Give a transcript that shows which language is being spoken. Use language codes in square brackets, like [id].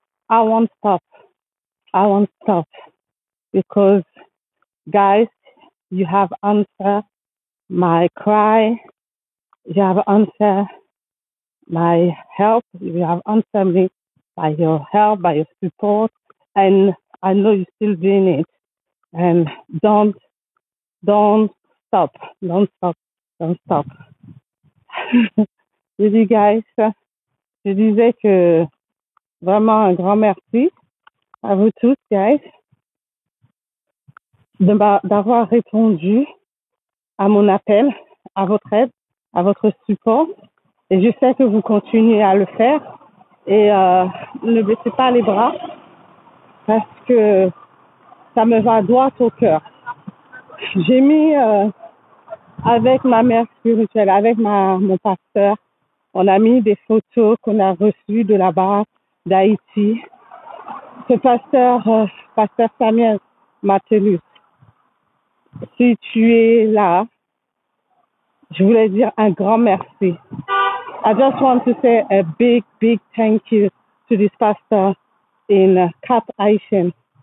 [en] I won't stop, because guys, you have answered my cry, you have answered my help, you have answered me by your help, by your support, and I know you're still doing it, and don't stop. [fr] Je dis, guys, je disais que vraiment un grand merci à vous tous, guys, d'avoir répondu à mon appel, à votre aide, à votre support. Et je sais que vous continuez à le faire. Et ne baissez pas les bras parce que ça me va droit au cœur. J'ai mis... avec ma mère spirituelle, avec mon pasteur, on a mis des photos qu'on a reçues de là-bas, d'Haïti. Ce pasteur Samuel Matelus, si tu es là, je voulais dire un grand merci. [en] I just want to say a big, big thank you to this pastor in Cap Haitian.